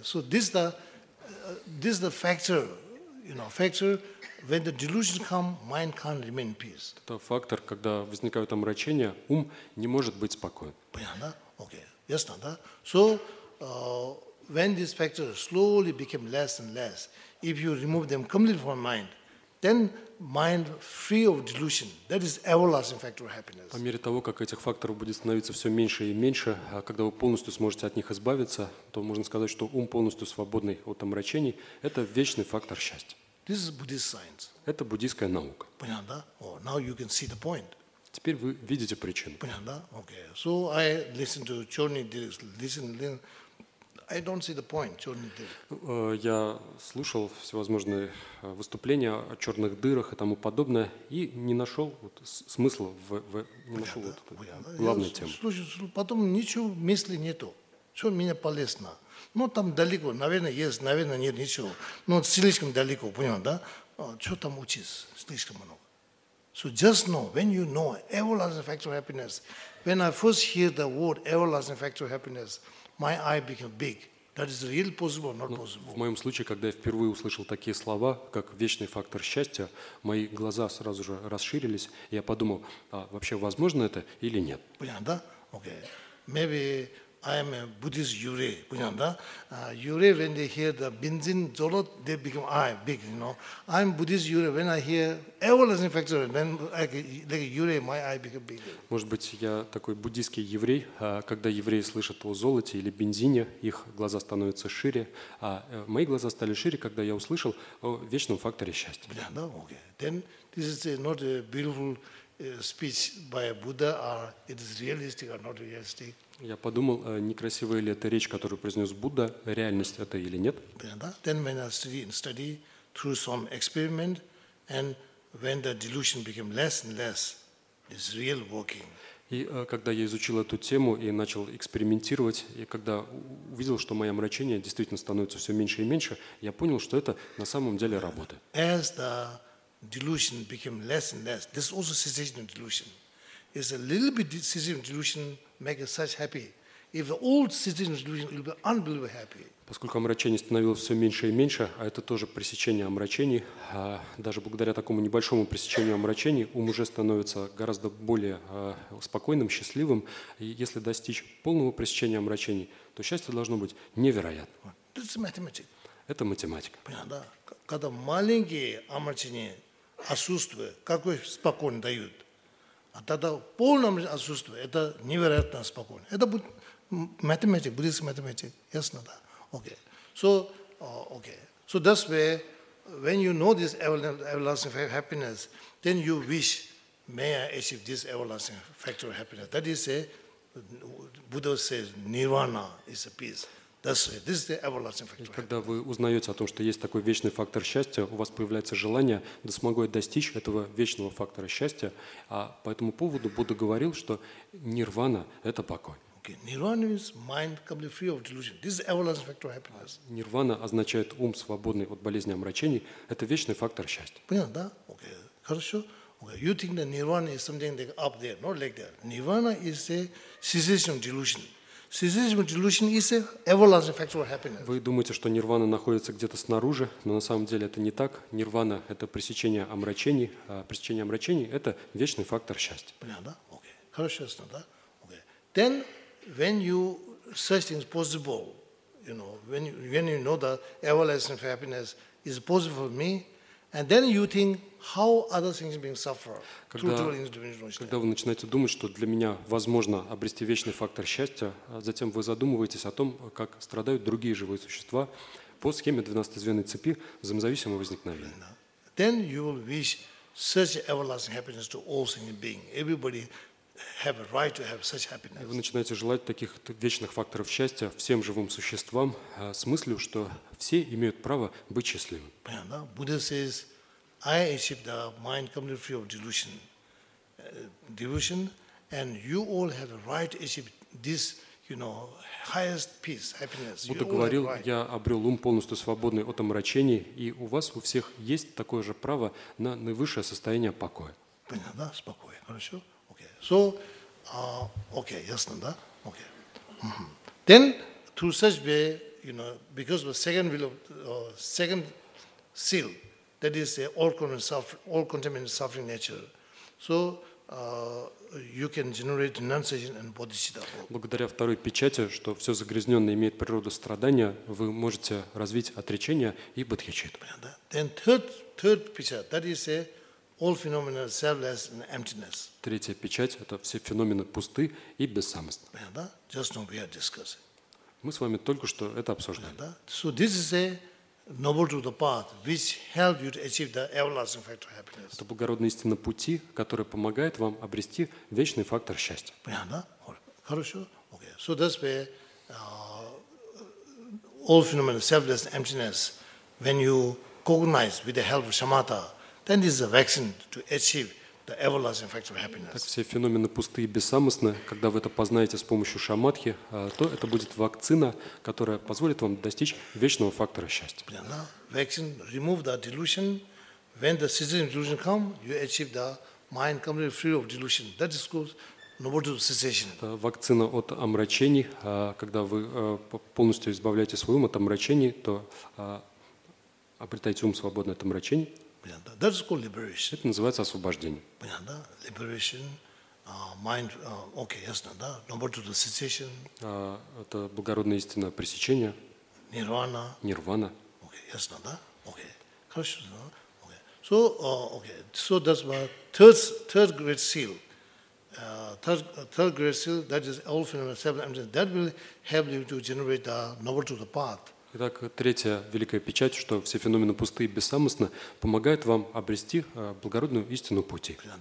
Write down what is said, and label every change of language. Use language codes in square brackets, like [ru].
[en] So this is the factor, you know, factor. When the delusion come, mind can't remain peace. [ru] Это фактор, когда возникают омрачения, ум не может быть спокоен. Понятно? Okay. Ясно, да? [en] So, when this factor slowly became less and less, if you remove them completely from mind, then mind free of delusion, that is everlasting factor of happiness. [ru] По мере того, как этих факторов будет становиться все меньше и меньше, а когда вы полностью сможете от них избавиться, то можно сказать, что ум полностью свободный от омрачений, это вечный фактор счастья. [en] This is Buddhist science. [ru] Это буддийская наука. Понятно, да? [en] Oh, now you can see the point. [ru] Теперь вы видите причину. Понятно, да? [en] Okay. So I listen to Chorny Dirks. Listen. I don't see the point, Chorny Dirks. [ru] Я слушал всевозможные выступления о черных дырах и тому подобное и не нашел вот смысла в не нашел вот главной темы. Слушаю, потом ничего мысли нету. Что меня полезно? Ну, там далеко, наверное, есть, наверное, нет, ничего. Но слишком далеко, понял, да? Что там учиться? Слишком много. [en] So just know, when you know everlasting factor of happiness, when I first hear the word everlasting factor of happiness, my eye became big. That is really possible, not possible. [ru] В моем случае, когда я впервые услышал такие слова, как вечный фактор счастья, мои глаза сразу же расширились, и я подумал, а вообще возможно это или нет? Понял, да? [en] Okay. Maybe I am a Buddhist yuri, [ru] понятно, да? [en] Yuri, when they hear the benzin zolot, they become big, you know. I am Buddhist yuri, when I hear everlasting factor, then like yuri, my eye become bigger. [ru] Может быть, я такой буддийский еврей, когда евреи слышат о золоте или бензине, их глаза становятся шире, а мои глаза стали шире, когда я услышал о вечном факторе счастья. Понятно, да? Okay. [en] Then this is not a beautiful speech by a Buddha, or it is realistic or not realistic. [ru] Я подумал, некрасивая ли это речь, которую произнес Будда, реальность это или нет. [en] Then when I study through some experiment, and when the delusion became less and less, it's real working. [ru] И когда я изучил эту тему и начал экспериментировать, и когда увидел, что мои омрачения действительно становятся все меньше и меньше, я понял, что это на самом деле работа. [en] As the delusion became less and less, this also cessation of delusion. It's a little bit cessation of delusion. Make us such happy. If the old citizens delusion will be unbelievably happy. [ru] По поскольку омрачений становилось все меньше и меньше, а это тоже пресечение омрачений, даже благодаря такому небольшому пресечению омрачений ум уже становится гораздо более спокойным, счастливым. И если достичь полного пресечения омрачений, то счастье должно быть невероятным. Это математика. Понятно, да. Когда маленькие омрачения отсутствуют, какой спокойно дают, а тогда полное отсутствие, это невероятно спокойно. Это будет математика, буддийская математика. Ясно, да? Окей. [en] So that's where, when you know this everlasting factor of happiness, then you wish, may I achieve this everlasting factor of happiness. That is a, Buddha says, nirvana is a peace. This is the everlasting factor. [ru] Когда вы узнаете о том, что есть такой вечный фактор счастья, у вас появляется желание, да смогу я достичь этого вечного фактора счастья. А по этому поводу Будда говорил, что нирвана – это покой. [en] Okay. Nirvana is mind completely free of delusion. This is everlasting factor of happiness. [ru] Нирвана означает ум свободный от болезни омрачений. Это вечный фактор счастья. Понятно, да? Okay. Хорошо. Okay. [en] You think that nirvana is something like up there, not like that. Nirvana is a cessation of delusion. [ru] Вы думаете, что нирвана находится где-то снаружи, но на самом деле это не так. Нирвана – это пресечение омрачений. А пресечение омрачений – это вечный фактор счастья. Понятно, да? Окей. Хорошо, ясно, да? Окей. [en] Then, when you search things possible, you know, when you know that everlasting happiness is possible for me, and then you think how other things being suffer. [ru] Когда вы начинаете думать, что для меня возможно обрести вечный фактор счастья, затем вы задумываетесь о том, как страдают другие живые существа по схеме 12-звенной цепи взаимозависимого возникновения. [en] Then you will wish such everlasting happiness to all sentient beings. Everybody have a right to have such happiness. [ru] Вы начинаете желать таких вечных факторов счастья всем живым существам с мыслью, что все имеют право быть счастливыми. [en] Buddha says, I achieve the mind completely free of delusion, and you all have a right to achieve this, you know, highest peace, happiness. [ru] Будда говорил, я обрел ум полностью свободный от омрачений, и у вас у всех есть такое же право на наивысшее состояние покоя. Понятно, да? Спокойно, хорошо? Okay. [en] So, okay, [ru] ясно, да? Okay. Mm-hmm. [en] Then, to such way, you know, because of second will, second seal. That is all contaminated suffering nature. So you can generate renunciation and bodhicitta. [ru] Благодаря второй печати, что все загрязненное имеет природу страдания, вы можете развить отречение и бодхичитта. [en] Then third печать. That is all phenomena selfless and emptiness. [ru] Третья печать – это все феномены пусты и бессамости. [en] Just now we are discussing. [ru] Мы с вами только что это обсуждали. [en] So this is a noble truth of path, which helps you to achieve the everlasting factor of happiness. [ru] Это благородная истина пути, которая помогает вам обрести вечный фактор счастья. Понятно? Хорошо? Okay. [en] So that's where all phenomena, selfless emptiness, when you cognize with the help of shamatha, then this is a vaccine to achieve the everlasting factor of happiness. [ru] Так все феномены пусты и бессамостны, когда вы это познаете с помощью шамадхи, то это будет вакцина, которая позволит вам достичь вечного фактора счастья. [en] Vaccine remove the delusion. When the cessation of delusion come, you achieve the mind completely free of delusion. That is called noble truth of cessation. [ru] Это вакцина от омрачений, когда вы полностью избавляете свой ум от омрачений, то обретаете ум свободный от омрачений. [en] That is called liberation. [ru] Это называется освобождение. Понятно, да? [en] Liberation, mind, okay, [ru] ясно, да? [en] Number two, the cessation. [ru] Это благородная истина пресечения. [en] Nirvana. [ru] Нирвана. [en] Okay, [ru] ясно, да? [en] Okay. [ru] Хорошо, да? [en] Okay. So, okay. So that's my third great seal. Third great seal, that is all phenomena, seven emptiness. That will help you to generate the number two, the path. [ru] Итак, третья великая печать, что все феномены пусты и бессамостны, помогает вам обрести благородную истину пути.